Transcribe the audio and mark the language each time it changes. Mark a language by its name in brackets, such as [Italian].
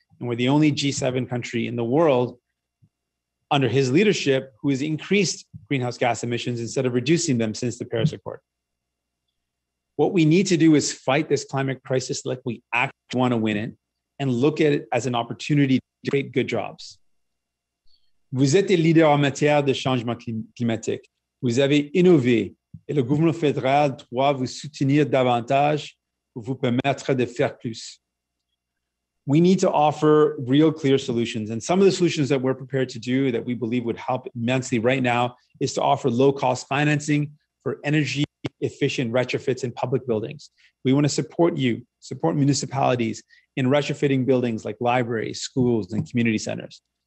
[English] And we're the only G7 country in the world under his leadership who has increased greenhouse gas emissions instead of reducing them since the Paris Accord. What we need to do is fight this climate crisis like we actually want to win it and look at it as an opportunity to create good jobs. [French] Vous êtes leader en matière de changement climatique. Vous avez innové et le gouvernement fédéral doit vous soutenir davantage pour vous permettre de faire plus. [English] we need to offer real clear solutions. And some of the solutions that we're prepared to do that we believe would help immensely right now is to offer low-cost financing for energy efficient retrofits in public buildings. We want to support you, support municipalities in retrofitting buildings like libraries, schools, and community centers.